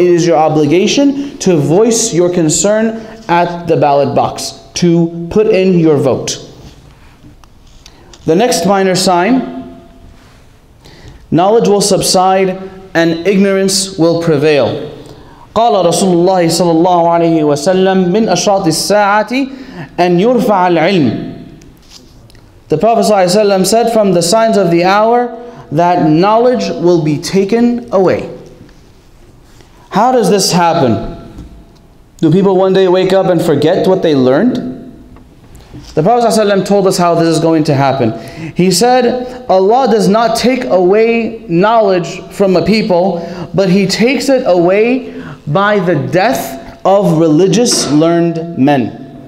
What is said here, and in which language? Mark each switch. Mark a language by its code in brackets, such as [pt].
[en] It is your obligation to voice your concern at the ballot box, to put in your vote. The next minor sign, knowledge will subside and ignorance will prevail. [ar] قال رسول الله صلى الله عليه وسلم من أشراط الساعة أن يرفع العلم. [en] The Prophet [ar] صلى الله عليه وسلم [en] said, from the signs of the hour, that knowledge will be taken away. How does this happen? Do people one day wake up and forget what they learned? The Prophet [ar] صلى الله عليه وسلم [en] told us how this is going to happen. He said, Allah does not take away knowledge from a people, but He takes it away by the death of religious learned men.